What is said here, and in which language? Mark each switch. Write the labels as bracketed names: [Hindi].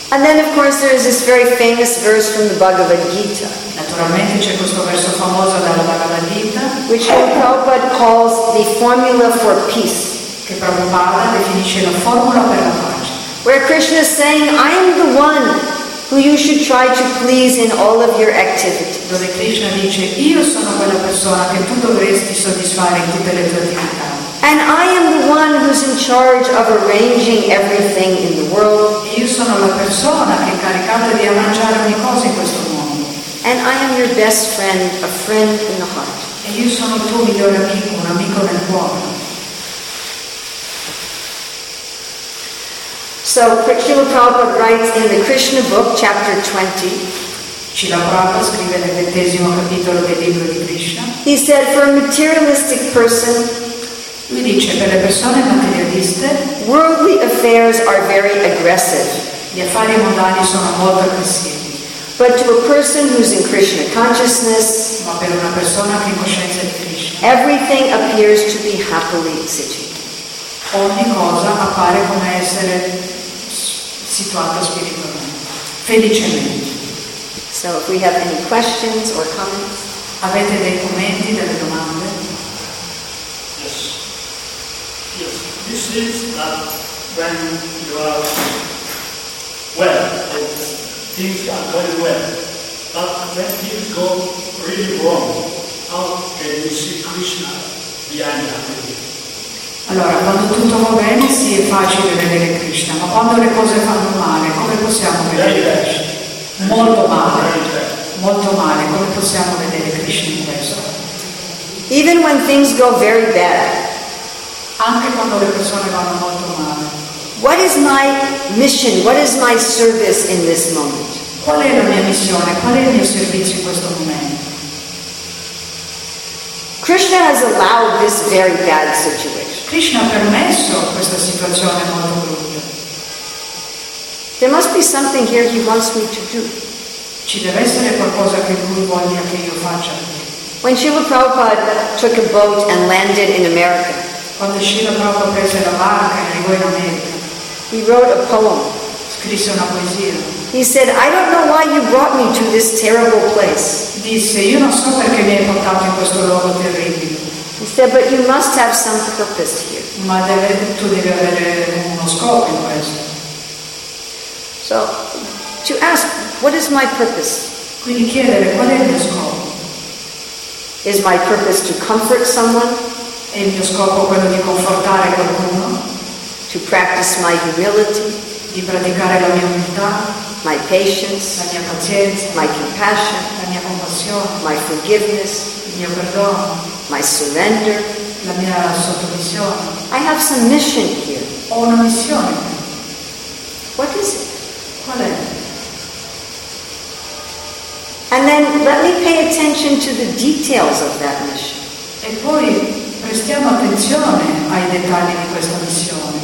[English] And then of course there is this very famous verse from the Bhagavad Gita. [Italian] Naturalmente c'è questo verso famoso dalla Bhagavad Gita. [English] Which Prabhupada calls the formula for peace. [Italian] Che Prabhupada definisce la formula per la pace. [English] Where Krishna is saying, I am the one who you should try to please in all of your activities. [Italian] Dove Krishna dice, io sono quella persona che tu dovresti soddisfare in tutte le tue attività. [English] And I am the one who's in charge of arranging everything in the world. [Italian] E io sono la persona che è incaricata di arrangiare ogni cosa in questo mondo. [English] And I am your best friend, a friend in the heart. [Italian] E io sono il tuo migliore amico, un amico nel cuore. [English] So Srila Prabhupada writes in the Krishna book, chapter 20. [Italian] Srila Prabhupada scrive nel 20° capitolo del libro di Krishna. [English] He said, for a materialistic person, [Italian] lui dice, per le persone materialiste, [English] worldly affairs are very aggressive. [Italian] Gli affari mondani sono molto aggressivi. [English] But to a person who's in Krishna consciousness, [Italian] ma per una persona che è in coscienza di Krishna, [English] everything appears to be happily situated. [Italian] Ogni cosa appare come essere situata spiritualmente, felicemente. [English] So if we have any questions or comments. [Italian] Avete dei commenti, delle domande? [English] Yes. Yes. You see that when you are well, things are going well, but when things go really wrong, how can you see Krishna behind that? [Italian] Allora, quando tutto va bene, sì, è facile vedere Krishna, ma quando le cose fanno male, come possiamo vedere Krishna? Molto male, come possiamo vedere Krishna in questo? [English] Even when things go very bad, [Italian] anche quando le persone vanno molto male, [English] what is my mission, what is my service in this moment? [Italian] Qual è la mia missione, qual è il mio servizio in questo momento? [English] Krishna Krishna has allowed this very bad situation. [Italian] Krishna ha permesso questa situazione molto brutta. [English] There must be something here he wants me to do. [Italian] Ci deve essere qualcosa che lui voglia che io faccia. [English] When Srila Prabhupada took a boat and landed in America, [Italian] quando Srila Prabhupada prese la barca e arrivò in America, [English] he wrote a poem. [Italian] Scrisse una poesia. [English] He said, "I don't know why you brought me to this terrible place." [Italian] Disse, io non so perché mi hai portato in questo luogo terribile. [English] He said, "But you must have some purpose here." [Italian] Ma tu devi avere uno scopo in questo. [English] So, to ask, what is my purpose? [Italian] Quindi chiedere, qual è il mio scopo? [English] Is my purpose to comfort someone? [Italian] È il mio scopo quello di confortare qualcuno? [English] To practice my humility? [Italian] Di praticare la mia umiltà? [English] My patience? [Italian] La mia pazienza? [English] My compassion? [Italian] La mia compassione? [English] My forgiveness? [Italian] Il mio perdono? [English] My surrender? [Italian] La mia sottomissione? [English] I have some mission here. [Italian] Ho una missione. [English] What is it? [Italian] Qual è? [English] And then let me pay attention to the details of that mission. [Italian] E poi prestiamo attenzione ai dettagli di questa missione.